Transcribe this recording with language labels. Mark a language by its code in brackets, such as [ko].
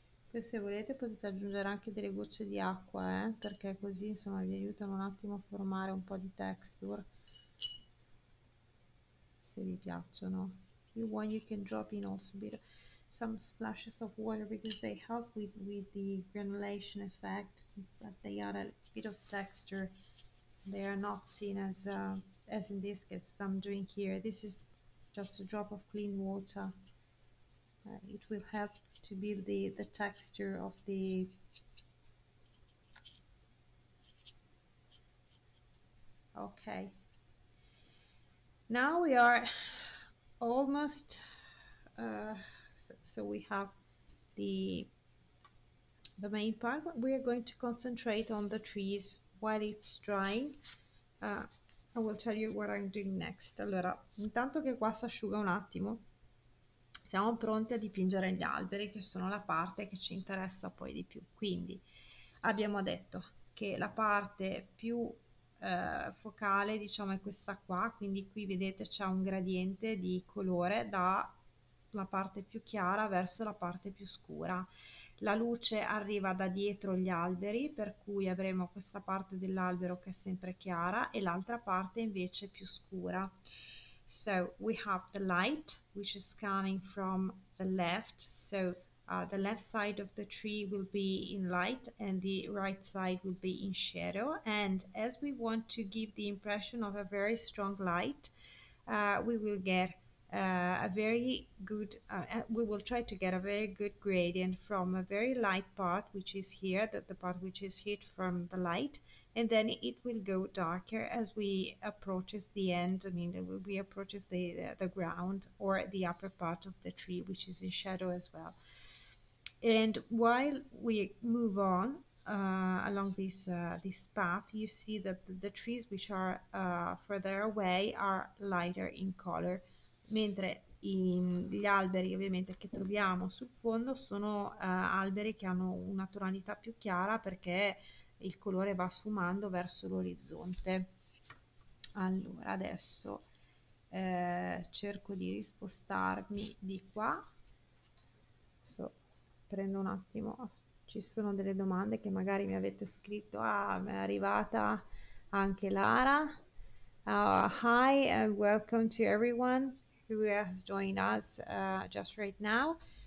[it] Poi se volete potete aggiungere anche delle gocce di acqua, perché così insomma vi aiutano un attimo a formare un po' di texture. se vi piacciono. [en] If you want, you can drop in also a bit of some splashes of water because they help with the granulation effect. It's that they add a bit of texture. They are not seen as in this case, I'm doing here. This is just a drop of clean water. It will help to build the texture of the okay. Now we are almost so we have the main part. We are going to concentrate on the trees while it's drying. I will tell you what I'm doing next. [it] Allora, intanto che qua si asciuga un attimo, siamo pronti a dipingere gli alberi, che sono la parte che ci interessa poi di più. Quindi abbiamo detto che la parte più focale, diciamo, è questa qua, quindi qui vedete c'è un gradiente di colore dalla parte più chiara verso la parte più scura. La luce arriva da dietro gli alberi, per cui avremo questa parte dell'albero che è sempre chiara e l'altra parte invece più scura. [en] So we have the light which is coming from the left, so the left side of the tree will be in light and the right side will be in shadow. And as we want to give the impression of a very strong light, we will get a very good, we will try to get a very good gradient from a very light part, which is here, the part which is hit from the light, and then it will go darker as we approaches the end, I mean, we approaches the ground or the upper part of the tree, which is in shadow as well. And while we move on along this path, you see that the trees which are further away are lighter in color, [it] mentre gli alberi ovviamente che troviamo sul fondo sono alberi che hanno una tonalità più chiara perché il colore va sfumando verso l'orizzonte. Allora, adesso cerco di rispostarmi di qua. Prendo un attimo, ci sono delle domande che magari mi avete scritto. Ah, mi è arrivata anche Lara. [en] Hi, and welcome to everyone who has joined us just right now.